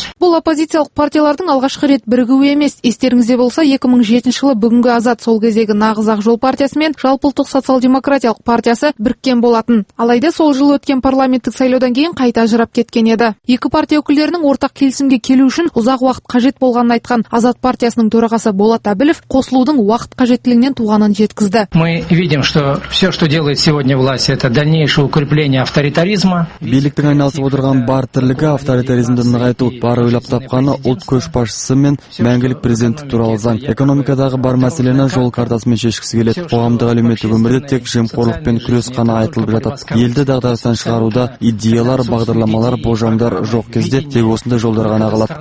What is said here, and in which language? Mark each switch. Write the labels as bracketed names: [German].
[Kazakh] Бұл оппозициялық партиялардың алғашқы рет бірігуі емес. Естеріңізде болса, 2007 жылы бүгінгі Азат сол кездегі Нағыз Ақ Жол партиясы мен Жалпыұлттық социал-демократиялық партиясы біріккен болатын. Алайда сол жылы өткен парламенттік сайлаудан кейін қайта ажырап кеткен еді. Екі партия өкілдерінің ортақ келісімге келу үшін ұзақ уақыт қажет болғанын айтқан Азат партиясының төрағасы Болат Әбілов қосылудың уақыт қажеттілігінен туғанын жеткізді. [Russian] Мы видим, что все, что делает сегодня власть, это дальнейшее укрепление авторитаризма. [Kazakh] Биліктің айналысып отырған бар тірлігі авторитаризмді нығайту, бар ойлап тапқаны ұлт көшбасшысы мен мәңгілік президенттік туралы заң. Экономикадағы бар мәселені жол картасымен шешкісі келеді. Қоғамдық әлеуметтік өмірде тек жемқорлықпен күрес қана айтылып жатады. Елді дағдарыстан шығаруда идеялар, бағдарламалар, болжамдар жоқ кезде тек осындай жолдар ғана қалады.